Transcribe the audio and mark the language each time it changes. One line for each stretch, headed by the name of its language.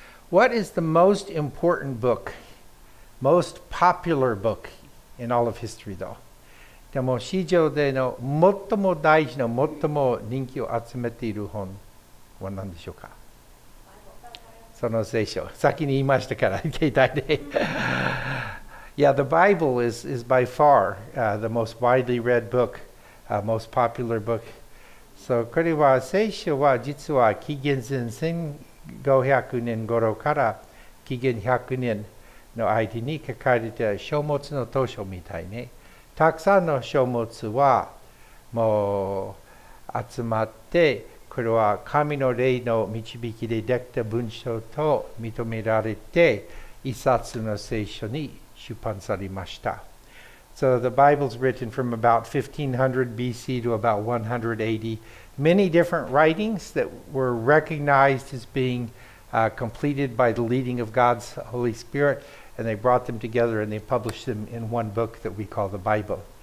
English: What is the most important book, most popular book in all of history, though?
Japanese: でも史上での最も大事な最も人気を集めている本は何でしょうか。その聖書。先に言いましたから携帯で。
English: Yeah, the Bible is by far the most widely read book, most popular book.
Japanese: So これは聖書は実は紀元前1500年頃から紀元100年の間に書かれた書物の図書みたいね。たくさんの書物はもう集まって、これは神の霊の導きでできた文章と認められて、一冊の聖書に出版されました。
English: So the Bible's written from about 1500 BC to about 180. Many different writings that were recognized as being completed by the leading of God's Holy Spirit. And they brought them together and they published them in one book that we call the Bible.